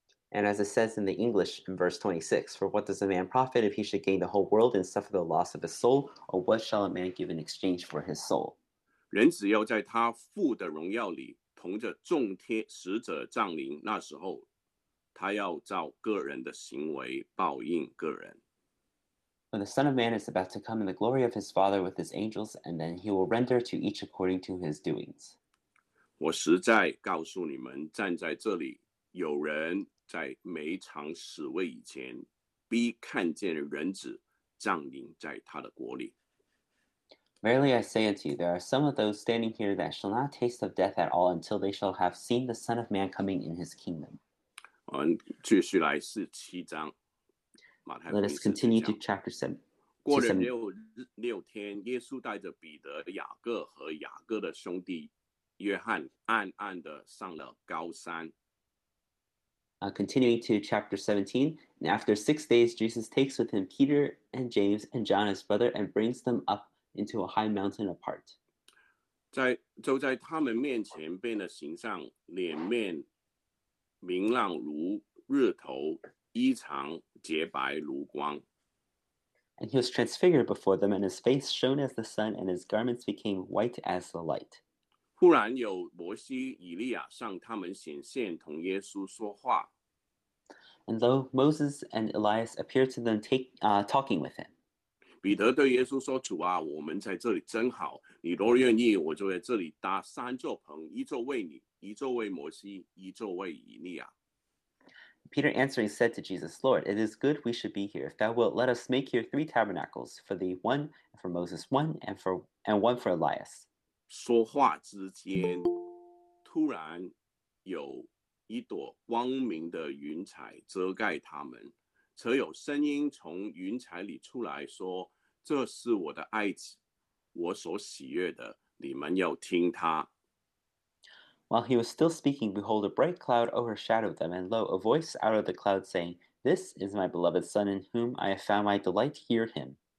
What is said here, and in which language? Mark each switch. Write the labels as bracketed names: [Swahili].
[English] And as it says in the English in verse 26, For what does a man profit if he should gain the whole world and suffer the loss of his soul? Or what shall a man give in exchange for his soul? [Chinese] 人只要在他父的荣耀里同着众天使者降临，那时候他要照个人的行为报应个人。 [English] When the Son of Man is about to come in the glory of his Father with his angels, and then he will render to each according to his doings. [Chinese] 我实在告诉你们，站在这里有人在每场死位以前，必看见人子降临在他的国里。 [English] Verily I say unto you, there are some of those standing here that shall not taste of death at all until they shall have seen the Son of Man coming in his kingdom. [Chinese] 继续来是七章。 [English] Let us continue to chapter 7. [Chinese] 过了六天，耶稣带着彼得、雅各和雅各的兄弟约翰，暗暗地上了高山。 [English] Continuing to chapter 17, and after 6 days, Jesus takes with him Peter and James and John, his brother, and brings them up into a high mountain apart. [Chinese] 走在他们面前，变了形象，脸面明亮如日头，衣裳洁白如光。 [English] And he was transfigured before them, and his face shone as the sun, and his garments became white as the light. [Chinese] 忽然有摩西、以利亚向他们显现，同耶稣说话。 [English] And though Moses and Elias appeared to them talking with him. [Chinese] 彼得对耶稣说，主啊，我们在这里真好，你若愿意，我就在这里搭三座棚，一座为你，一座为摩西，一座为以利亚。 [English] Peter answering said to Jesus, Lord, it is good we should be here. If thou wilt, let us make here three tabernacles, for thee one, and for Moses one, and one for Elias. [Chinese] 说话之间，突然有一朵光明的云彩遮盖他们，则有声音从云彩里出来说，这是我的爱子，我所喜悦的，你们要听他。 [English] While he was still speaking, behold, a bright cloud overshadowed them, and lo, a voice out of the cloud saying, This is my beloved Son, in whom I have found my delight, hear him.